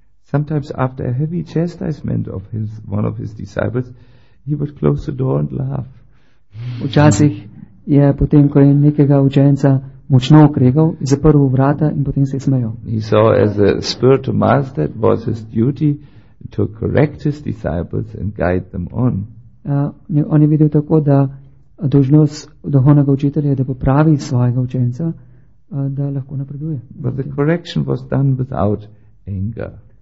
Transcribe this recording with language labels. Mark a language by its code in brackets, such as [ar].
[en] Sometimes after a heavy chastisement of his one of his disciples, he would close the door and laugh. [sl] Včasih je potem, ko je nekega učenca močno okregal, zaprl vrata in potem se je smejal. [en] He saw as a spiritual master it was his duty to correct his disciples and guide them on. [sl] On je videl tako, da dožnost duhovnega učitelja je, da popravi svojega učenca, da lahko napreduje. [en] But the correction was done without anger.